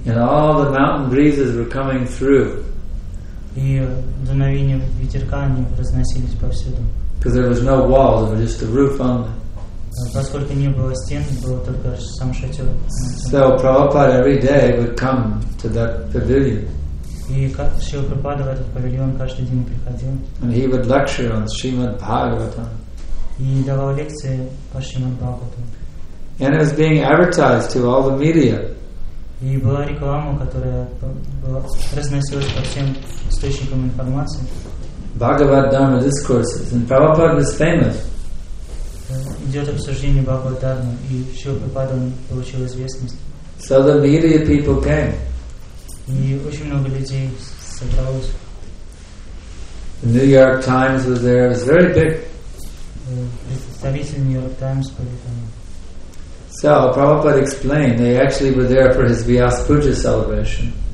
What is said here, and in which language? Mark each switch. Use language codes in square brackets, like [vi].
[en] And all the mountain breezes were coming through. [ru] И дуновения ветерка они разносились повсюду. [en] Because there was no walls, it was just the roof only. [ru] Поскольку не было стен, был только сам шатер. [en] So Prabhupada every day would come to that pavilion. [ru] И как Шрила Прабхупада в этот павильон каждый день приходил. [en] And he would lecture on Srimad Bhagavatam. [ru] И давал лекции по Шримад Бхагаватам. [en] And it was being advertised to all the media. [ru] И была реклама, которая была разносилась по всем источникам информации. [en] Bhagavad Dharma discourses, and Prabhupada was famous. [ru] Идет обсуждение Бхагавад Дхармы, и Шрила Прабхупада получил известность. [en] So the media people came. [ru] И очень много людей собралось. [en] The New York Times was there. It was very big. [ru] Представитель New York Times были там. [en] So Prabhupada explained they actually were there for his Vyas Puja celebration.